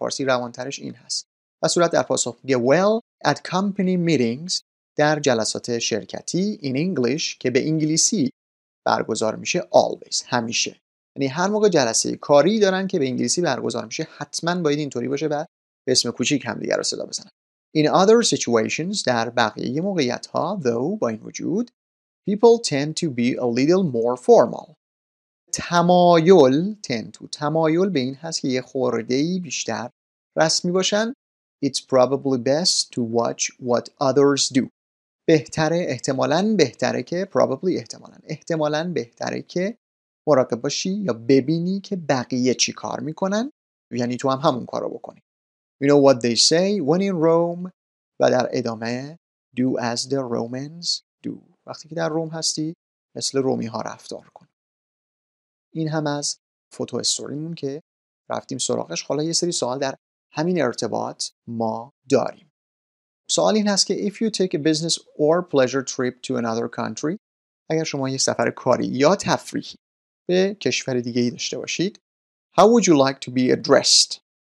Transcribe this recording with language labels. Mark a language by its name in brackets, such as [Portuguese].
[Persian] فارسی روانترش این هست. و صورت در پاسخ میگه [English] Well, at company meetings، [Persian] در جلسات شرکتی، [English] in English، [Persian] که به انگلیسی برگزار میشه، always، همیشه، یعنی هر موقع جلسه کاری دارن که به انگلیسی برگزار میشه حتما باید اینطوری باشه و به اسم کوچیک هم دیگر رو صدا بزنن. [English] In other situations، [Persian] در بقیه موقعیت ها، [English] though، [Persian] با این وجود، [English] people tend to be a little more formal. [Persian] تمایل، [English] tend to، [Persian] تمایل به این هست که یه خورده‌ای بیشتر رسمی باشن. [English] It's probably best to watch what others do. [Persian] بهتره احتمالاً بهتره که probably احتمالاً بهتره که مراقب باشی یا ببینی که بقیه چی کار میکنن یعنی تو هم همون کارو بکنی. [English] You know what they say when in Rome [Persian] و در ادامه [English] do as the Romans do. [Persian] وقتی که در روم هستی مثل رومی ها رفتار کن. این هم از فوتو استوریمون که رفتیم سراغش. حالا یه سری سوال در همین ارتباط ما داریم. سوال این هست که [English] if you take a business or pleasure trip to another country, [Persian] اگر شما یک سفر کاری یا تفریحی به کشور دیگه ای داشته باشید, [English] how would you like to be addressed?